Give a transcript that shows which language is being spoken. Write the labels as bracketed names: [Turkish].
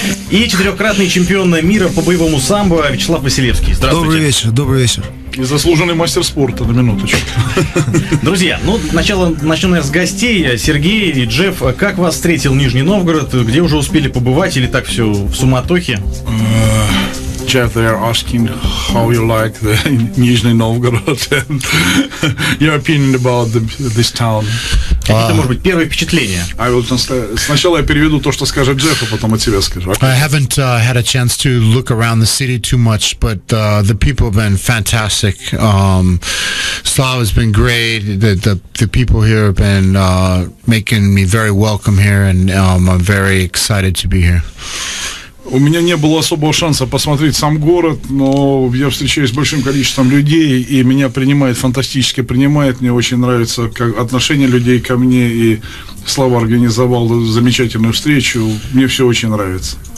[Russian] И четырехкратный чемпион мира по боевому самбо Вячеслав Василевский. Здравствуйте. Добрый вечер, добрый вечер. И заслуженный мастер спорта, на минуточку. Друзья, ну, начало, начнем с гостей. Сергей и Джефф, как вас встретил Нижний Новгород? Где уже успели побывать или так все в суматохе? [English] Jeff, they're asking how you like the Nizhny Novgorod. Your opinion about this town. [Russian] Это может быть первое впечатление. Сначала я переведу то, что скажет Джефф, а потом от тебя скажу. [English] I haven't had a chance to look around the city too much, but the people have been fantastic. Slava has been great. The people here have been making me very welcome here, and I'm very excited to be here. [Russian] У меня не было особого шанса посмотреть сам город, но я встречаюсь с большим количеством людей, и меня принимает, фантастически принимает. Мне очень нравится как отношение людей ко мне, и Слава организовал замечательную встречу. Мне все очень нравится.